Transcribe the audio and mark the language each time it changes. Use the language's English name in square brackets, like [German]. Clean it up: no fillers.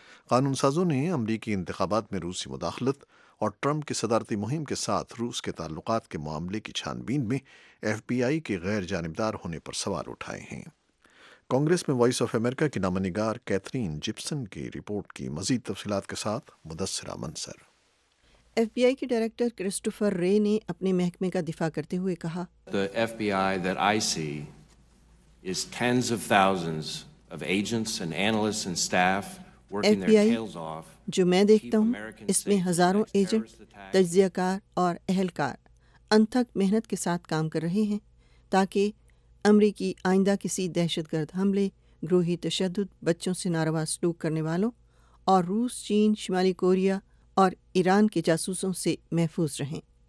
[Urdu] قانون سازوں نے امریکی انتخابات میں روسی مداخلت اور ٹرمپ کی صدارتی مہم کے ساتھ روس کے تعلقات کے معاملے کی چھان بین میں ایف بی آئی کے غیر جانبدار ہونے پر سوال اٹھائے ہیں۔ کانگریس میں وائس آف امریکہ کی نامنگار کیتھرین جپسن کی رپورٹ کی مزید تفصیلات کے ساتھ مدثرہ منصر۔ ایف بی آئی کے ڈائریکٹر کرسٹوفر رے نے اپنے محکمے کا دفاع کرتے ہوئے کہا، [English] The FBI that I see is tens of thousands of agents and analysts and staff working FBI their tails off. [Urdu] جو میں دیکھتا ہوں اس میں ہزاروں ایجنٹ، تجزیہ کار اور اہلکار انتھک محنت کے ساتھ کام کر رہے ہیں تاکہ امریکی آئندہ کسی دہشت گرد حملے، گروہی تشدد، بچوں سے ناروا سلوک کرنے والوں اور روس، چین، شمالی کوریا اور ایران کے جاسوسوں سے محفوظ رہیں۔